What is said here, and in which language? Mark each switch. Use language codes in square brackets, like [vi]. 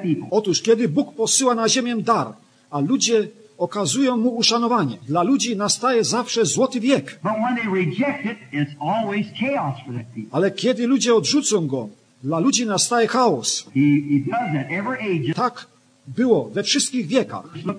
[pl] Otóż, kiedy Bóg posyła na ziemię dar, a ludzie okazują mu uszanowanie, dla ludzi nastaje zawsze złoty wiek. [en] But when they reject it, it's always chaos for that people. [pl] Ale kiedy ludzie odrzucą go, dla ludzi nastaje chaos. [en] He does that every age. [pl] Tak było we wszystkich wiekach.